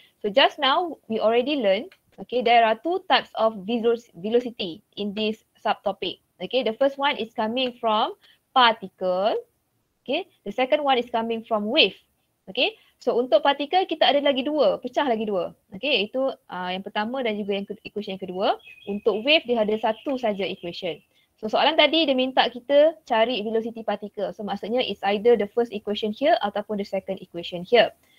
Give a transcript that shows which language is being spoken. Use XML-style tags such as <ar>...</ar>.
<en>So just now, we already learned, okay, there are two types of velocity in this subtopic. Okay, the first one is coming from particle. Okay, the second one is coming from wave.</en> <ms>Okay, so untuk partikel kita ada lagi dua, pecah lagi dua. Okay, itu yang pertama dan juga yang equation yang kedua. Untuk wave dia ada satu saja equation. So soalan tadi dia minta kita cari velocity partikel.</ms> <en>So maksudnya it's either the first equation here ataupun the second equation here.</en>